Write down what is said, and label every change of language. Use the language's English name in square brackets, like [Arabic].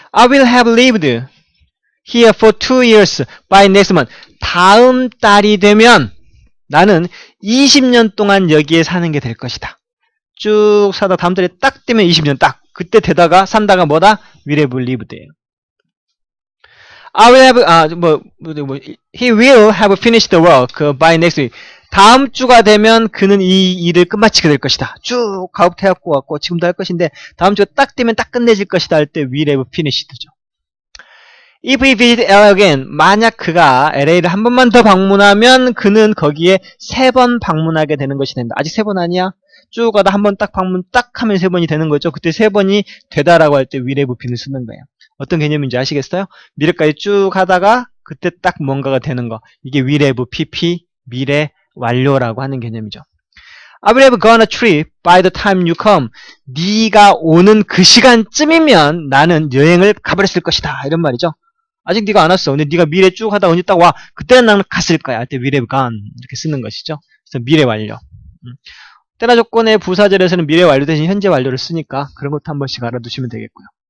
[English] I will have lived here for 2 years by next month. [Korean] 다음 달이 되면 나는 20년 동안 여기에 사는 게될 것이다. 쭉 사다 다음 달에 딱 되면 20년 딱. 그때 되다가 산다가 뭐다? [English] Will have lived [Korean] 돼요. [English] He will have finished the work by next week. [Korean] 다음 주가 되면 그는 이 일을 끝마치게 될 것이다. 쭉 가업 태워왔고 지금도 할 것인데 다음 주가 딱 되면 딱 끝내질 것이다 할때 [English] will have finished [Korean] 죠. [English] If he visit LA again, [Korean] 만약 그가 LA를 한 번만 더 방문하면 그는 거기에 세번 방문하게 되는 것이 된다. 아직 세번 아니야? 쭉 가다 한번딱 방문 딱 하면 세 번이 되는 거죠. 그때 세 번이 되다라고 할때 [English] will have been [Korean] 을 쓰는 거예요. 어떤 개념인지 아시겠어요? 미래까지 쭉 가다가 그때 딱 뭔가가 되는 거. 이게 will have PP, 미래 완료라고 하는 개념이죠. [English] I will have gone a trip by the time you come. [Korean] 네가 오는 그 시간쯤이면 나는 여행을 가버렸을 것이다. 이런 말이죠. 아직 네가 안 왔어. 근데 네가 미래 쭉 하다 언제 딱 와. 그때는 나는 갔을 거야. 그때 [English] will have gone [Korean] 이렇게 쓰는 것이죠. 그래서 미래 완료. 때나 조건의 부사절에서는 미래 완료 대신 현재 완료를 쓰니까 그런 것도 한 번씩 알아두시면 되겠고요.